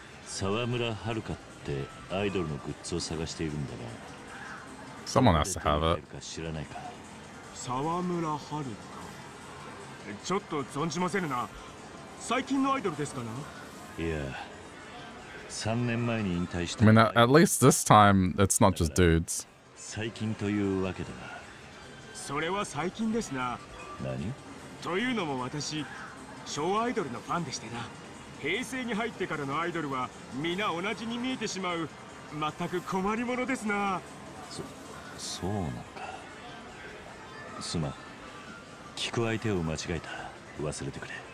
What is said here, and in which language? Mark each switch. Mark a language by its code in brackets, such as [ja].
[ja] 沢村はるかってアイドルのグッズを探しているんだが。 [en] Someone has to have it. [ja] 知らないか。沢村はるか。ちょっと存じませんな。最近のアイドルですかな。いや、3年前に引退した。 [en] I mean, at least this time, it's not just dudes. [ja] 最近というわけだな。それは最近ですな。何？というのも私、昭和アイドルのファンでしてな。平成に入ってからのアイドルは、皆同じに見えてしまう。全く困りものですな。そうなのか。すまん。聞く相手を間違えた。忘れてくれ。